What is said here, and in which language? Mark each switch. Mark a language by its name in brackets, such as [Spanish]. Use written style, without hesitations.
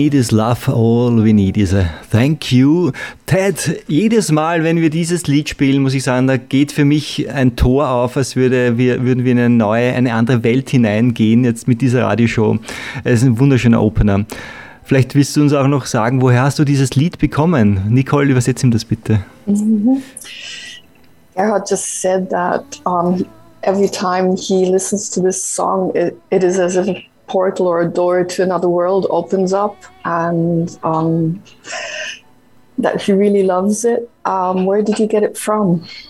[English] Love, all we need is a thank you. [German] Ted, jedes Mal, wenn wir dieses Lied spielen, muss ich sagen, da geht für mich ein Tor auf, als würden wir in eine andere Welt hineingehen, jetzt mit dieser Radioshow. Es ist ein wunderschöner Opener. Vielleicht willst du uns auch noch sagen, woher hast du dieses Lied bekommen? Nicole, übersetz ihm das bitte. Mm-hmm. [English] Gerhard just said that every time he listens to this song, it is as if portal or a door to another world opens up, and that he really loves it. Where did you get it from?